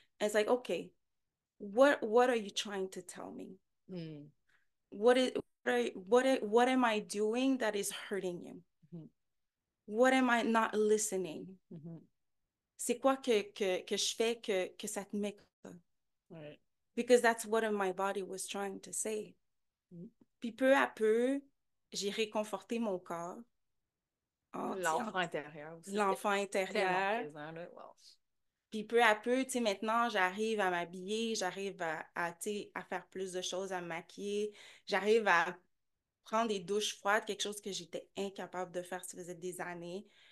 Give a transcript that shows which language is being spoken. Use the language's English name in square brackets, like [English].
[English] And it's like, okay, what are you trying to tell me? What am I doing that is hurting you? What am I not listening? [French] C'est quoi que je fais que ça te met pas? Ouais. [English] Because that's what my body was trying to say. [French] Puis peu à peu, j'ai réconforté mon corps en disant L'enfant intérieur aussi, c'était l'enfant tellement intérieur. présent, là. Wow. Puis peu à peu, tu sais, maintenant, j'arrive à m'habiller, j'arrive à, tu sais, à faire plus de choses, à me maquiller, j'arrive à prendre des douches froides, quelque chose que j'étais incapable de faire, ça faisait des années.